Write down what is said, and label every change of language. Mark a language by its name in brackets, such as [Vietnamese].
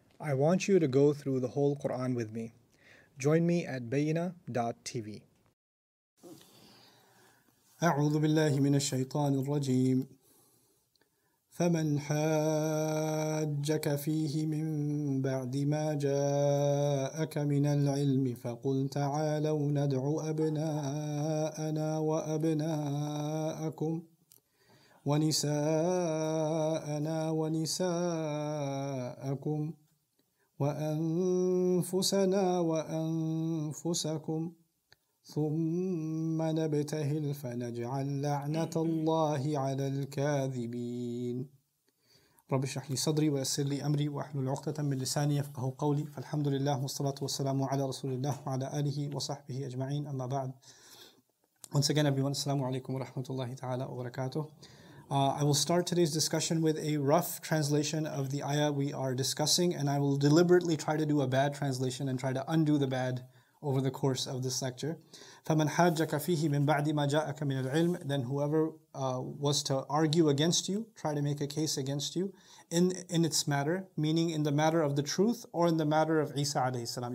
[English] I want you to go through the whole Quran with me. Join me at bayina.tv. [Arabic] أعوذ بالله من الشيطان الرجيم. فمن حاجك فيه من بعد ما جاءك من العلم فقل تعالوا ندعو أبناءنا وأبناءكم ونساءنا ونساءكم وأنفسنا وأنفسكم ثم نبتهل فنجعل لعنة الله على الكاذبين. رب اشرح لي صدري ويسر لي أمري واحلل عقدة من لساني يفقه قولي. فالحمد لله والصلاة والسلام على رسول الله وعلى آله وصحبه أجمعين. أما بعد, [English] once again everyone, [Arabic] السلام عليكم ورحمة الله تعالى وبركاته. [English] I will start today's discussion with a rough translation of the ayah we are discussing, and I will deliberately try to do a bad translation and try to undo the bad over the course of this lecture. [Arabic] فَمَنْ حَاجَّكَ فِيهِ مِنْ بَعْدِ مَا جَاءَكَ مِنَ الْعِلْمِ. [English] Then whoever was to argue against you, try to make a case against you in its matter, meaning in the matter of the truth or in the matter of Isa alayhi salam.